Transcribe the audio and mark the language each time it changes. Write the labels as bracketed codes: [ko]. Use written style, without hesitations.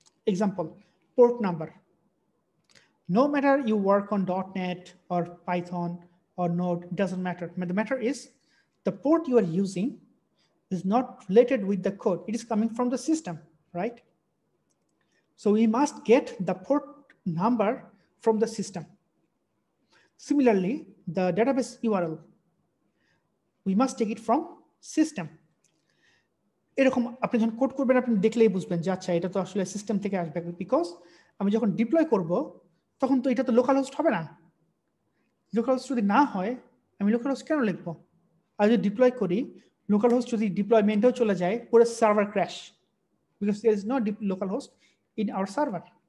[en] Example, port number, no matter you work on dot net or Python or Node, doesn't matter, the matter is the port you are using is not related with the code, it is coming from the system, right? So we must get the port number from the system. Similarly, the database URL, we must take it from system. [bn] এরকম আপনি যখন code করবেন আপনি দেখলেই বুঝবেন যে আচ্ছা এটা তো আসলে সিস্টেম থেকে আসবে, বিকজ আমি যখন ডিপ্লয় করব তখন তো এটা তো লোকাল হোস্ট হবে না, লোকাল হোস্ট যদি না হয় আমি লোকাল হোস্ট কেন লিখবো? আর যদি ডিপ্লয় করি লোকাল হোস্ট যদি ডিপ্লয়মেন্টেও চলে যায় পুরো server crash, [en] Because there is no local host in our server.